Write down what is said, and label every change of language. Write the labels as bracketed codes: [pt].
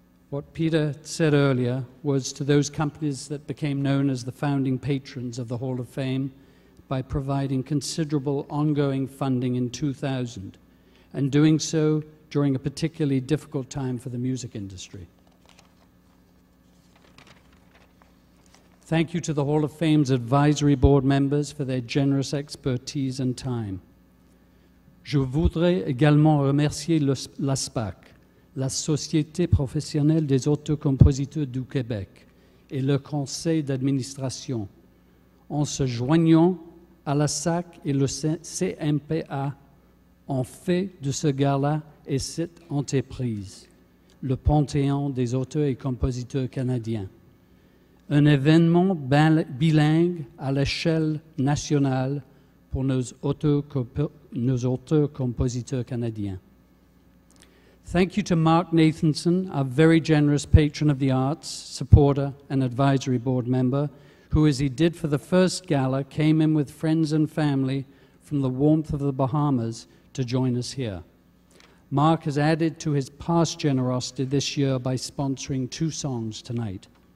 [en] what Peter said earlier was to those companies that became known as the founding patrons of the Hall of Fame by providing considerable ongoing funding in 2000, and doing so during a particularly difficult time for the music industry. Thank you to the Hall of Fame's advisory board members for their generous expertise and time. [fr] Je voudrais également remercier la SPAC, la Société professionnelle des auto-compositeurs du Québec, et le conseil d'administration, en se joignant à la SAC et le CMPA, en fait de ce gala et cette entreprise, le panthéon des auteurs et compositeurs canadiens. Un événement bilingue à l'échelle nationale pour nos auteurs-compositeurs canadiens. [en] Thank you to Mark Nathanson, our very generous patron of the arts, supporter and advisory board member, who, as he did for the first gala, came in with friends and family from the warmth of the Bahamas to join us here. Mark has added to his past generosity this year by sponsoring two songs tonight.